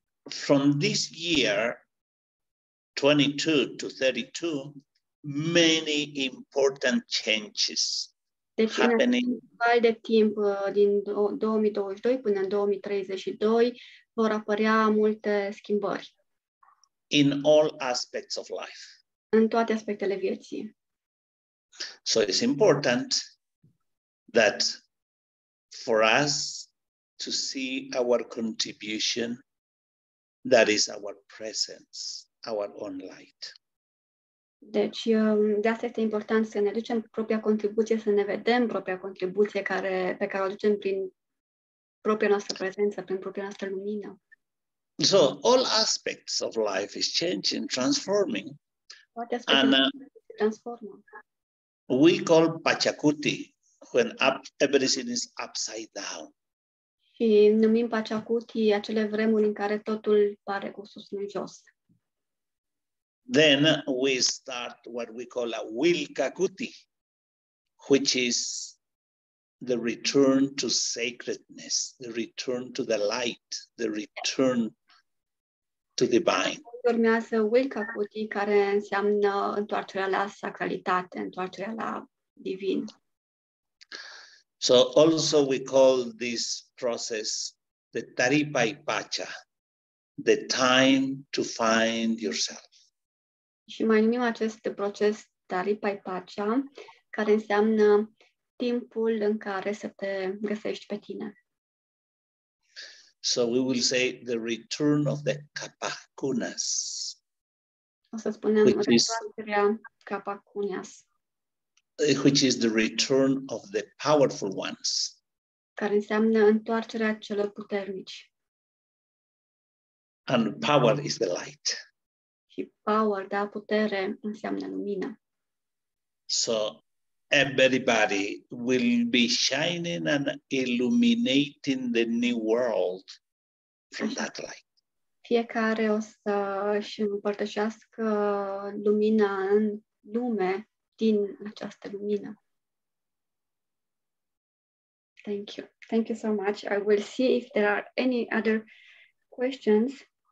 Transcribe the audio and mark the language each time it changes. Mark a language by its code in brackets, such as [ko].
[en] From this year 22 to 32, many important changes [ro] deci, [en] happening. [ro] În val de timp din 2022 până în 2032 vor apărea multe schimbări. [en] In all aspects of life. [ro] În toate aspectele vieții. [en] So it's important that for us to see our contribution, that is our presence, our own light. [ro] Deci, de asta este important să ne ducem propria contribuție, să ne vedem propria contribuție pe care o ducem prin propria noastră prezență, prin propria noastră lumină. [en] So, all aspects of life is changing, transforming. [ro] Toate aspectele se transformă. [en] We call Pachacuti, when everything is upside down. [ro] Și numim Pachacuti acele vremuri în care totul pare cu sus în jos. [en] Then we start what we call a Wilcacuti, which is the return to sacredness, the return to the light, the return to divine. [ro] Urmează Wilcacuti, care înseamnă întoarcerea la sacralitate, întoarcerea la divin. [en] So also we call this process the Taripai Pacha, the time to find yourself. [ro] Și mai numim acest proces Taripai Pacha, care înseamnă timpul în care să te găsești pe tine. [en] So we will say the return of the Kapakunas. [ro] O să spunem întoarcerea Kapakunas. [en] Which is the return of the powerful ones. [ro] Care înseamnă întoarcerea celor puternici. [en] And power is the light. [ro] Și power, da, putere, înseamnă lumină. [en] So everybody will be shining and illuminating the new world from that light. [ro] Fiecare o să își împărtășească lumina în lume din această lumină. [en] Thank you. Thank you so much. I will see if there are any other questions.